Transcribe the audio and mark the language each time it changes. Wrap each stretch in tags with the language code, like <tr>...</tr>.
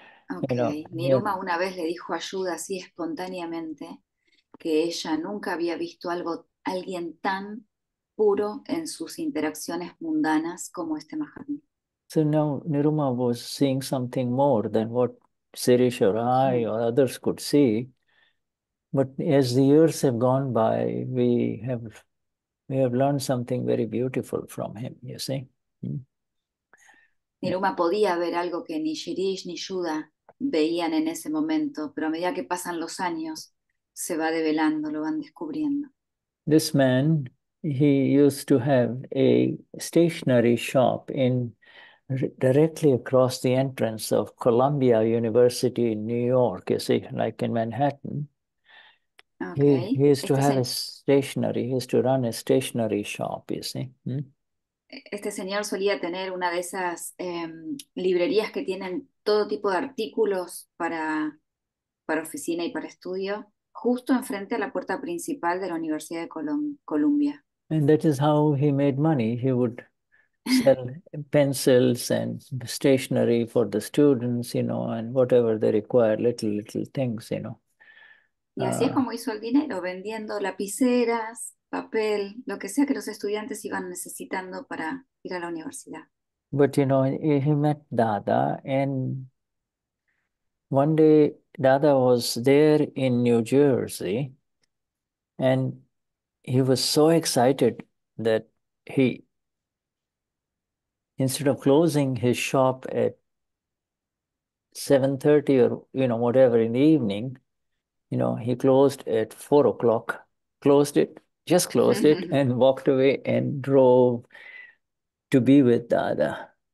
<es>Okay, Niruma una vez le dijo a Shuddha así espontáneamente que ella nunca había visto algo, alguien tan puro en sus interacciones mundanas como este Mahatma.</es> <en>So now Niruma was seeing something more than what Sirish or I or others could see. But as the years have gone by, we have learned something very beautiful from him, you see.</en> <es>Niruma podía ver algo que ni Shirish ni Shuddha veían en ese momento, pero a medida que pasan los años, se va develando, lo van descubriendo.</es> <en>This man, he used to have a stationery shop in directly across the entrance of Columbia University in New York, you see, like in Manhattan. Okay, He used to have a stationery, he used to run a stationery shop, you see.</en> <es>Este señor solía tener una de esas librerías que tienen todo tipo de artículos para oficina y para estudio, justo enfrente a la puerta principal de la Universidad de Columbia.</es> <en>And that is how he made money. He would sell pencils and stationery for the students, and whatever they require, little things,</en> <es>Y así es como hizo el dinero, vendiendo lapiceras, papel, lo que sea que los estudiantes iban necesitando para ir a la universidad.</es> <en>But he met Dada, and one day Dada was there in New Jersey, and he was so excited that he, instead of closing his shop at 7:30 or whatever in the evening, he closed at 4 o'clock, closed it, just closed it, and walked away and drove to be with Dada.</en>